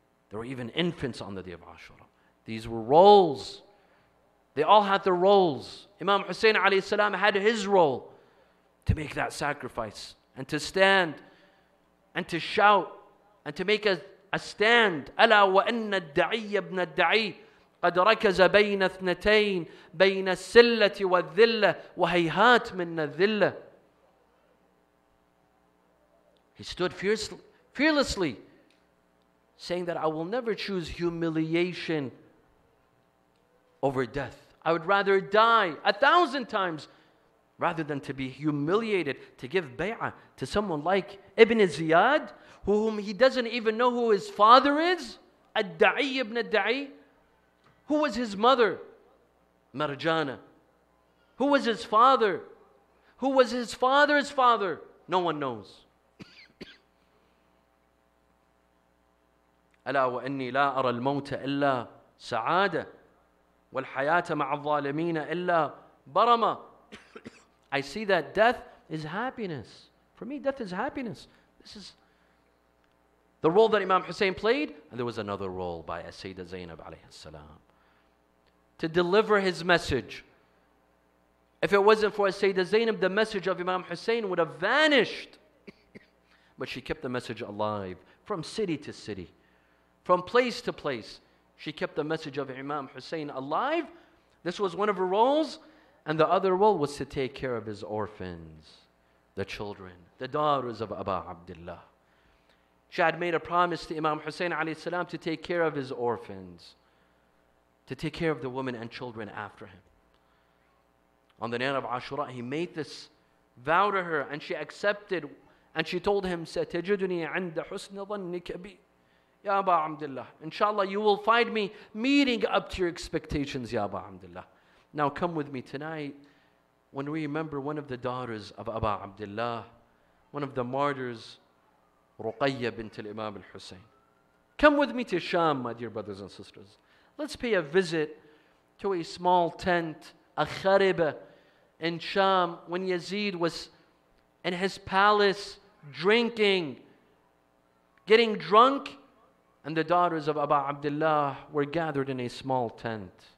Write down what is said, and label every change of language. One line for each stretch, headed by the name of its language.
English: There were even infants on the day of Ashura. These were roles. They all had their roles. Imam Hussein alayhi salam had his role to make that sacrifice and to stand and to shout and to make a stand.
Arabic: أَلَا وَأَنَّ الدَّعِيَّ ابْنَ الدَّعِيِّ قَدْ رَكَزَ بَيْنَ اثْنَتَيْنِ بَيْنَ السِّلَّةِ وَالذِّلَّةِ وَهَيْهَاتْ مِنَّ الذِّلَّةِ.
English: He stood fearlessly, saying that I will never choose humiliation over death. I would rather die 1,000 times rather than to be humiliated, to give bay'ah to someone like Ibn Ziyad, whom he doesn't even know who his father is, Ad-Da'i ibn Ad-Da'i. Who was his mother? Marjana. Who was his father? Who was his father's father? No one knows.
Arabic: ألا وإني لا أرى الموت إلا سعادة والحياة مع الظالمين إلا برمة.
English: I see that death is happiness. For me, death is happiness. This is the role that Imam Hussein played. And there was another role by Sayyida Zainab alayhi salam, to deliver his message. If it wasn't for Sayyida Zainab, the message of Imam Hussein would have vanished. But she kept the message alive from city to city. From place to place, she kept the message of Imam Hussein alive. This was one of her roles. And the other role was to take care of his orphans, the children, the daughters of Aba Abdullah. She had made a promise to Imam Hussein alayhi salam to take care of his orphans, to take care of the women and children after him. On the night of Ashura, he made this vow to her and she accepted. And she told him,
Arabic: سَتَجِدُنِي عِنْدَ حُسْنِ ظَنِّكَ بِي يا أبا عبد الله.
English: Inshallah, you will find me meeting up to your expectations,
Arabic: يا أبا عبد الله.
English: Now come with me tonight when we remember one of the daughters of Aba Abdullah, one of the martyrs, Ruqayya bint al-Imam al-Hussein. Come with me to Sham, my dear brothers and sisters. Let's pay a visit to a small tent, a kharibah, in Sham when Yazid was in his palace drinking, getting drunk, and the daughters of Aba Abdullah were gathered in a small tent.